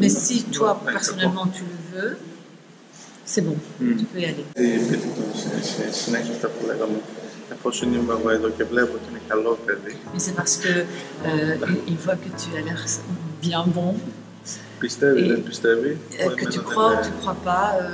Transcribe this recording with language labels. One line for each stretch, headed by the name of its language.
French: Mais si toi personnellement tu le veux, c'est bon, tu peux y aller. Et puis,
Greek: εφόσον είμαι εγώ εδώ και βλέπω ότι είναι καλό παιδί.
French: Mais c'est parce que il voit que tu as l'air bien bon.
Greek: Πιστεύει, δεν πιστεύει.
French: Que tu crois, tu crois pas.